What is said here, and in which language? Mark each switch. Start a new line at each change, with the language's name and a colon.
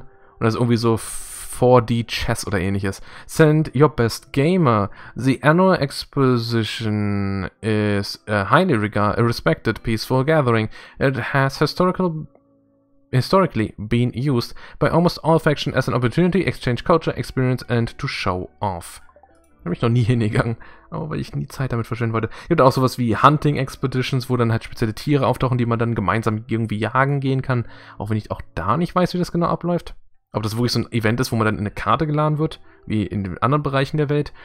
German: Und das ist irgendwie so 4D Chess oder ähnliches.
English: Send your best gamer. The annual exposition is a highly respected peaceful gathering. It has historically been used by almost all factions as an opportunity, exchange culture, experience and to show off.
German: Da bin ich noch nie hingegangen, aber weil ich nie Zeit damit verschwenden wollte. Es gibt auch sowas wie Hunting Expeditions, wo dann halt spezielle Tiere auftauchen, die man dann gemeinsam irgendwie jagen gehen kann. Auch wenn ich auch da nicht weiß, wie das genau abläuft. Ob das wirklich so ein Event ist, wo man dann in eine Karte geladen wird, wie in den anderen Bereichen der Welt.